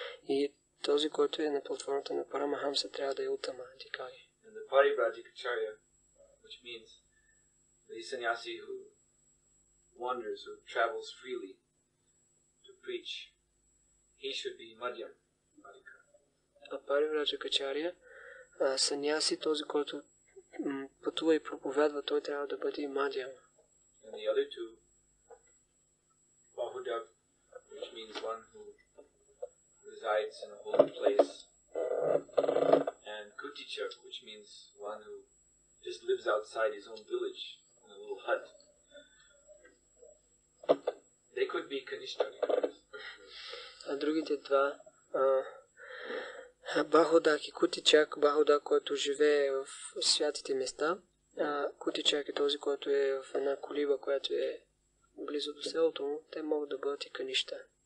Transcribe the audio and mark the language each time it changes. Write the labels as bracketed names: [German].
[Bulgarian] И този, който е на платформата на Paramahansa, трябва да е uttama adhikari. [English] And the Paribrajakacharya, which means the sannyasi who wanders or travels freely to preach, he should be Madhyam adhikari. [Bulgarian] А Paribrajakacharya, саньяси, този, който пътува и проповядва, той трябва да бъде Madhyam. [English] And the other two, Bahudak, which means one who resides in a holy place, and Kuticha, which means one who just lives outside his own village in a little hut, they could be Kanishta adhikaris. [Bulgarian] А другите два, Bahudak и Kuticha, Bahudak, който живее в святите места, Kuticha е този, който е в една колиба, която е близо до селото му, те могат да бъдат и канища.